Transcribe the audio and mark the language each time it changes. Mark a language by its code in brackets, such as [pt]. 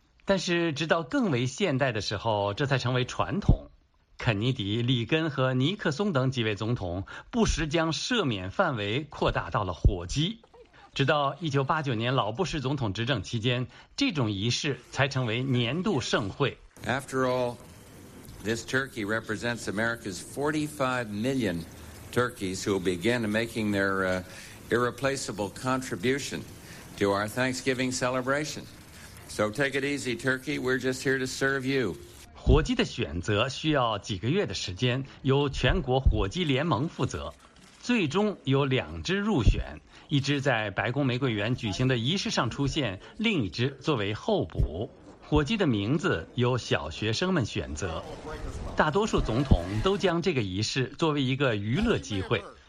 [zh] 但是直到更为现代的时候，这才成为传统。肯尼迪、里根和尼克松等几位总统不时将赦免范围扩大到了火鸡，直到1989年老布什总统执政期间，这种仪式才成为年度盛会。 [en] After all, this turkey represents America's 45 million turkeys who begin making their irreplaceable contribution to our Thanksgiving celebration. So take it easy, turkey. We're just here to serve you. [zh] 火鸡的选择需要几个月的时间，由全国火鸡联盟负责。最终有两只入选，一只在白宫玫瑰园举行的仪式上出现，另一只作为候补。火鸡的名字由小学生们选择。大多数总统都将这个仪式作为一个娱乐机会。